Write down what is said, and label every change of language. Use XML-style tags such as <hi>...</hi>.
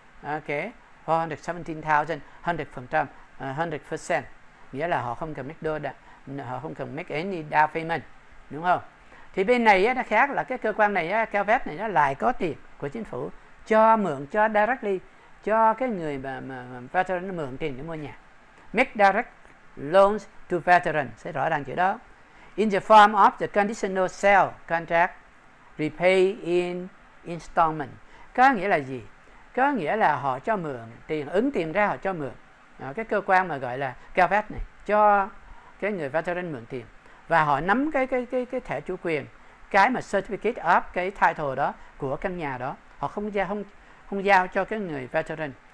<vi>Ok, 117,000, 100%, 100%, nghĩa là họ không cần make đô, họ không cần</vi> <en>make any down payment,</en> <vi>đúng không? Thì bên này nó khác là cái cơ quan này, CalVet này, nó lại có tiền của chính phủ cho mượn, cho directly cho cái người mà veteran mượn tiền để mua nhà.</vi> <en>Make direct loans to veteran,</en> <vi>sẽ rõ ràng chữ đó.</vi> <en>In the form of the conditional sale contract, repay in installment.</en> <vi>Có nghĩa là gì? Có nghĩa là họ cho mượn tiền, ứng tiền ra họ cho mượn. Đó, cái cơ quan mà gọi là CalVet này cho cái người veteran mượn tiền. Và họ nắm cái thẻ chủ quyền, cái mà certificate of cái title đó của căn nhà đó, họ không giao cho cái người veteran.</vi>